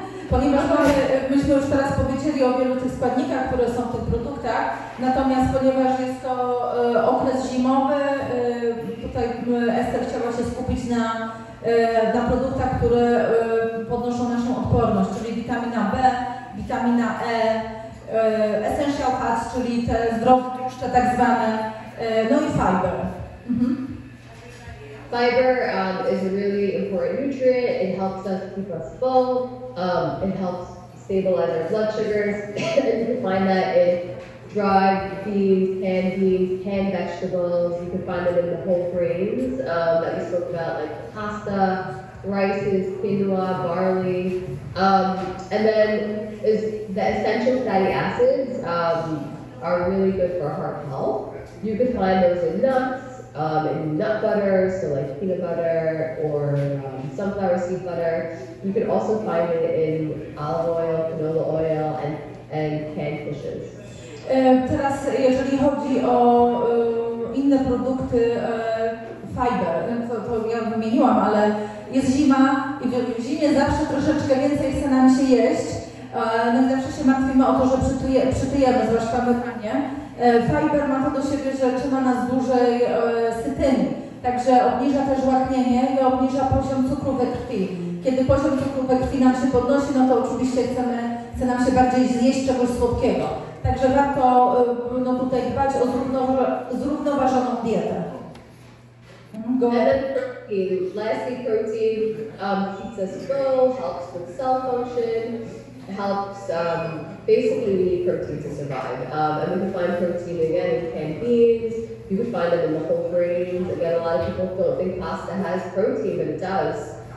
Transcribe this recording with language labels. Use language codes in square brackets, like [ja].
[pl] Ponieważ myśmy już teraz powiedzieli o wielu tych składnikach, które są w tych produktach, natomiast ponieważ jest to okres zimowy, tutaj Ester chciała się skupić na na produktach, które podnoszą naszą odporność, czyli witamina B, witamina E, [en] essential fats, [pl] czyli te zdrowe tłuszcze tak zwane, no i fiber. Mm-hmm. [en] Fiber is a really important nutrient. It helps us keep us full. It helps stabilize our blood sugars. And you can find that in dried beans, canned vegetables. You can find it in the whole grains that we spoke about, like pasta, rices, quinoa, barley. And then is the essential fatty acids are really good for heart health. You can find those in nuts. In nut butter, so like peanut butter or sunflower seed butter. You can also find it in olive oil, canola oil, and canned fishes. [pl] Teraz, jeżeli chodzi o inne produkty fiber, to ja wymieniłam, ale jest zima i w zimie zawsze troszeczkę więcej chce nam się jeść. No i zawsze się martwimy o to, że przytyjemy, zwłaszcza wypanie. Fiber ma to do siebie, że trzyma nas dłużej sytymi. Także obniża też łaknienie i obniża poziom cukru we krwi. Kiedy poziom cukru we krwi nam się podnosi, no to oczywiście chce nam się bardziej zjeść czegoś słodkiego. Także warto no, tutaj dbać o zrównoważoną dietę. [en] Go. And then protein. Lastly, protein keeps us full, helps with cell function, helps basically we need protein to survive. And we can find protein again in canned beans, you can find it in the whole grains. Again, a lot of people don't think pasta has protein, but it does.